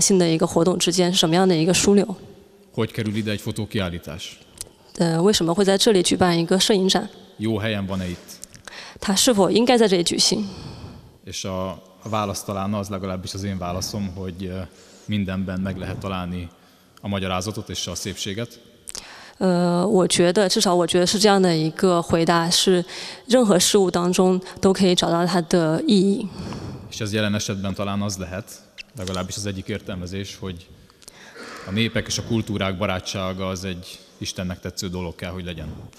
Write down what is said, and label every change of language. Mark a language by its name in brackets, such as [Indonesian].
[Chinese] 但是大家心里可能还是会有一个疑问，什么是连接一个神圣宗教性的建筑和一个世界性或日常性的一个活动之间，什么样的一个枢纽？ [Hungarian] Hogy kerül ide egy fotókiállítás? [Chinese] 为什么会在这里举办一个摄影展？ [Hungarian] Jó helyen van-e itt? [Chinese] 它是否应该在这里举行？ [Hungarian] És a válasz talán az, legalábbis az én válaszom, hogy mindenben meg lehet találni a magyarázatot és a szépséget. [Chinese] 我觉得至少我觉得是这样的一个回答，是任何事物当中都可以找到它的意义。 [Hungarian] És ez jelen esetben talán az lehet, legalábbis az egyik értelmezés, hogy a népek és a kultúrák barátsága az egy Istennek tetsző dolog kell, hogy legyen.